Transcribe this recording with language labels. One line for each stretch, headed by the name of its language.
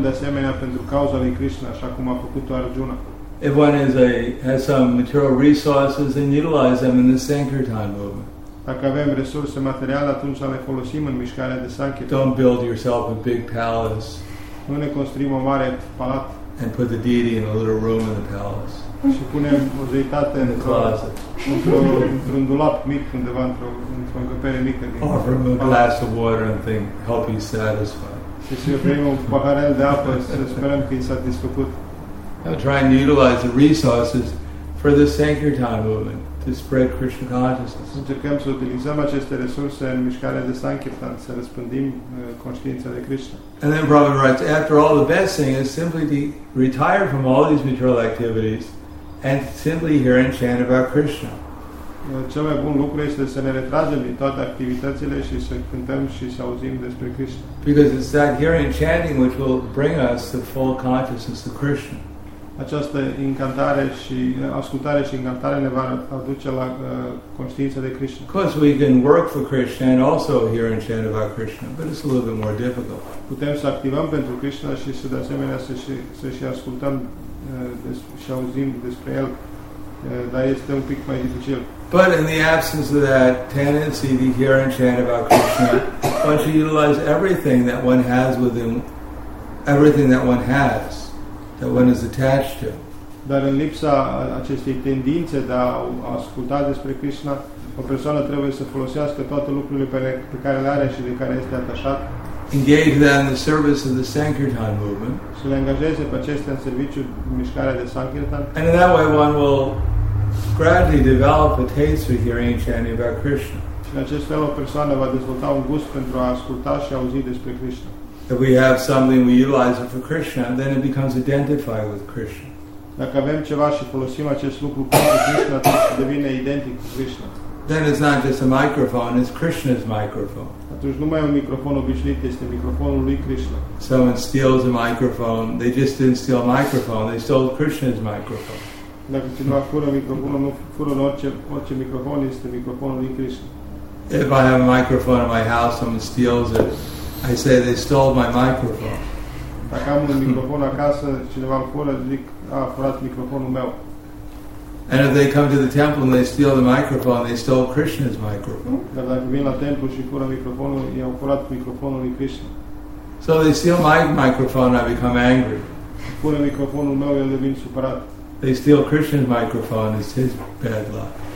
Romanian: de asemenea pentru cauza lui Krishna, așa cum a făcut Arjuna.
English: If one has some material resources, then utilize them in the Sankirtan movement.
Romanian: Dacă avem resurse materiale, atunci să le folosim în mișcarea de sanchet.
English: Don't build yourself a big palace.
Romanian: Nu ne construim o mare palat.
English: And put the deity in a little room in the palace.
Romanian: Și punem o zeitate în
English: closet.
Romanian: Într-un dulap mic undeva într-o încăpere mică din.
English: Offer him a glass of water and think, help you satisfy.
Romanian: Și să-i oferim un paharel de apă să sperăm că e satisfăcut.
English: Now trying to utilize the resources for the Sankirtan movement to spread Krishna consciousness.
Romanian: Încercăm să utilizăm aceste resurse în mișcarea de Sankirtan, să răspândim conștiința de Krishna.
English: And then Prabhupada writes, after all, the best thing is simply to retire from all these material activities and simply hear and chant about Krishna.
Romanian: Cel mai bun lucru este să ne retragem din toate activitățile și să cântăm și să auzim despre Krishna.
English: Because it's that hearing and chanting which will bring us the full consciousness of Krishna.
Romanian: Această încântare și ascultare și încântare ne va aduce la conștiința de Krishna.
English: Of course we can work for Krishna and also hear and chant about Krishna, but it's a little bit more difficult.
Romanian: Putem să activăm pentru Krishna și să de asemenea să și ascultăm și auzim despre El, dar este un pic mai dificil.
English: But in the absence of that tendency to hear and chant about Krishna, one should utilize everything that one has within, everything that one has, that one is attached to.
Romanian: Dar în lipsa acestei tendințe de a asculta despre Krishna, o persoană trebuie să folosească toate lucrurile pe care le are și de care este atașat.
English: Engage that in the service of the Sankirtan movement.
Romanian: Să le angajeze pe acestea în serviciul mișcarea de Sankirtan.
English: And in that way one will gradually develop a taste for hearing and chanting about Krishna.
Romanian: În acest fel o persoană va dezvolta un gust pentru a asculta și auzi despre Krishna.
English: If we have something, we utilize it for Krishna, then it becomes identified with Krishna.
Romanian: Dacă avem ceva și folosim acest lucru pentru Krishna, atunci devine identic cu Krishna.
English: Then it's not just a microphone, it's Krishna's microphone.
Romanian: Atunci nu mai e un microfon obișnuit, este microfonul lui Krishna.
English: Someone steals a microphone, they just didn't steal a microphone, they stole Krishna's microphone.
Romanian: Dacă cineva fură microfonul, nu fură orice microfon, este microfonul lui Krishna.
English: If I have a microphone in my house, someone steals it, I say they stole my microphone.
Romanian: Dacă am un microfon acasă, cineva îl fură, zic, a furat microfonul meu.
English: And if they come to the temple and they steal the microphone, they stole Krishna's microphone.
Romanian: Dar dacă vin la templu și fură microfonul, i-au furat microfonul lui Krishna.
English: So they steal my microphone, I become angry.
Romanian: Fură microfonul meu, eu devin supărat.
English: They steal Krishna's microphone, it's his bad luck.